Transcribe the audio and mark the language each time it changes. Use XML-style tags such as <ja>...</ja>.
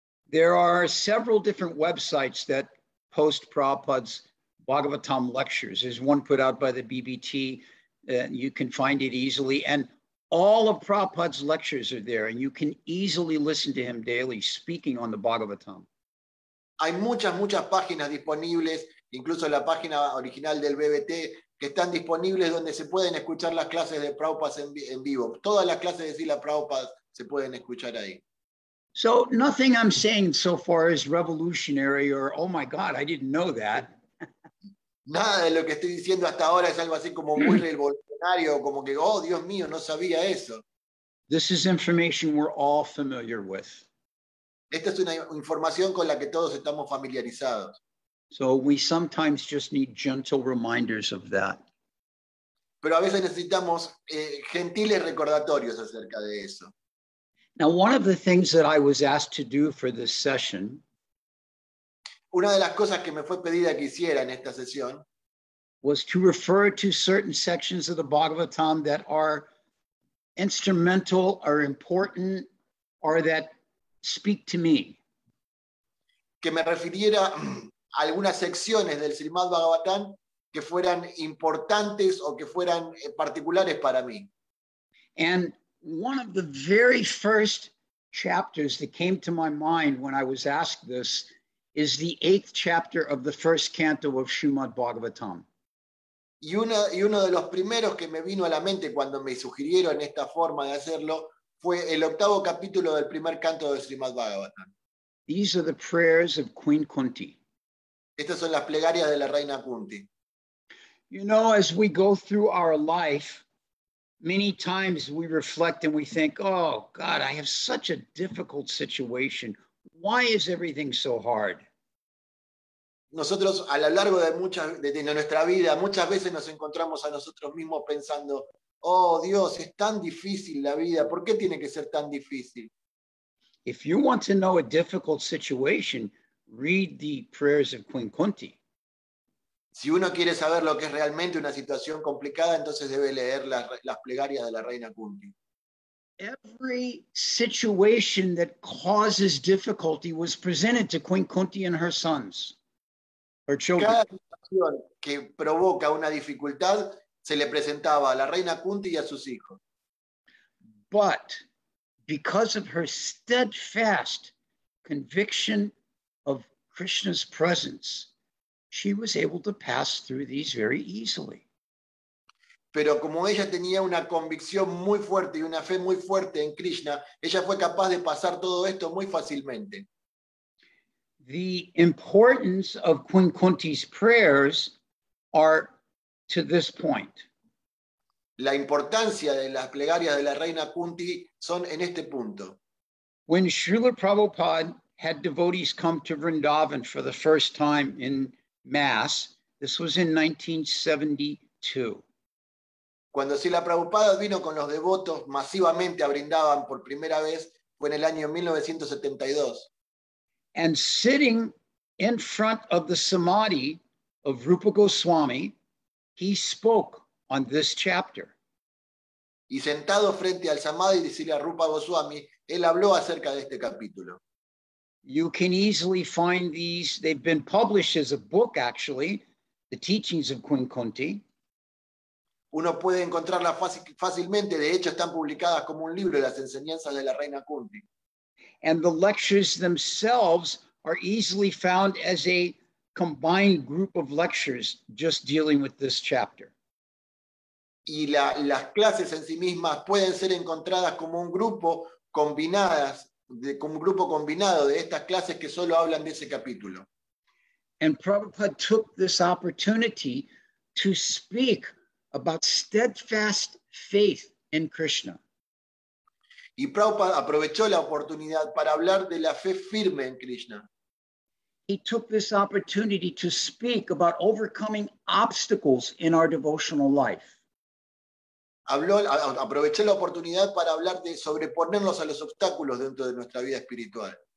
<en>There are several different websites that post Prabhupada's Bhagavatam lectures. There's one put out by the BBT. You can find it easily. And all of Prabhupada's lectures are there, and you can easily listen to him daily speaking on the Bhagavatam.</en> <es>Hay muchas, muchas páginas disponibles, incluso la página original del BBT, que están disponibles donde se pueden escuchar las clases de Prabhupada en vivo. Todas las clases de Srila Prabhupada se pueden escuchar ahí.</es> <en>So nothing I'm saying so far is revolutionary or, oh my God, I didn't know that.</en> <es>Nada de lo que estoy diciendo hasta ahora es algo así como muy revolucionario, como que, oh, Dios mío, no sabía eso.</es> <en>This is information we're all familiar with.</en> <es>Esta es una información con la que todos estamos familiarizados.</es> <en>So we sometimes just need gentle reminders of that.</en> <es>Pero a veces necesitamos gentiles recordatorios acerca de eso.</es> <en>Now, one of the things that I was asked to do for this session,</en> <es>una de las cosas que me fue pedida que hiciera en esta sesión,</es> <en>was to refer to certain sections of the Bhagavatam that are instrumental, are important, or that speak to me.</en> <es>Que me refiriera a algunas secciones del Srimad Bhagavatam que fueran importantes o que fueran particulares para mí.</es> <en>And one of the very first chapters that came to my mind when I was asked this is the 8th chapter of the first canto of Srimad Bhagavatam.</en> <es>Y uno de los primeros que me vino a la mente cuando me sugirieron esta forma de hacerlo fue el octavo capítulo del primer canto de Srimad Bhagavatam.</es> <en>These are the prayers of Queen Kunti.</en> <es>Estas son las plegarias de la reina Kunti.</es> <en>You know, as we go through our life, many times we reflect and we think, oh God, I have such a difficult situation. Why is everything so hard?</en> <es>Nosotros a lo largo de nuestra vida, muchas veces nos encontramos a nosotros mismos pensando, oh Dios, es tan difícil la vida, ¿por qué tiene que ser tan difícil?</es> <en>If you want to know a difficult situation, read the prayers of Queen Kunti.</en> <es>Si uno quiere saber lo que es realmente una situación complicada, entonces debe leer las plegarias de la reina Kunti.</es> <en>Every situation that causes difficulty was presented to Queen Kunti and her sons, her children.</en> <es>Cada situación que provoca una dificultad se le presentaba a la reina Kunti y a sus hijos.</es> <en>But because of her steadfast conviction of Krishna's presence, she was able to pass through these very easily.</en> <es>Pero como ella tenía una convicción muy fuerte y una fe muy fuerte en Krishna, ella fue capaz de pasar todo esto muy fácilmente.</es> <en>The importance of Queen Kunti's prayers are to this point.</en> <es>La importancia de las plegarias de la reina Kunti son en este punto.</es> <en>When Srila Prabhupada had devotees come to Vrindavan for the first time in Mass, this was in 1972.</en> <es>Cuando Srila Prabhupada vino con los devotos masivamente a Vrindavan por primera vez, fue en el año 1972.</es> <en>And sitting in front of the samadhi of Rupa Goswami, he spoke on this chapter.</en> <es>Y sentado frente al samadhi de Srila Rupa Goswami, él habló acerca de este capítulo.</es> <en>You can easily find these. They've been published as a book, actually, the teachings of Queen Kunti.</en> <es>Uno puede encontrarlas fácilmente. De hecho, están publicadas como un libro, las enseñanzas de la reina Kunti.</es> <en>And the lectures themselves are easily found as a combined group of lectures just dealing with this chapter.</en> <es>Y las clases en sí mismas pueden ser encontradas como un grupo combinadas. Como un grupo combinado de estas clases que solo hablan de ese capítulo.</es> <en>And Prabhupada took this opportunity to speak about steadfast faith in Krishna.</en> <es>Y Prabhupada aprovechó la oportunidad para hablar de la fe firme en Krishna.</es> <en>He took this opportunity to speak about overcoming obstacles in our devotional life.</en> <es>Aproveché la oportunidad para hablar de sobreponernos a los obstáculos dentro de nuestra vida espiritual.</es>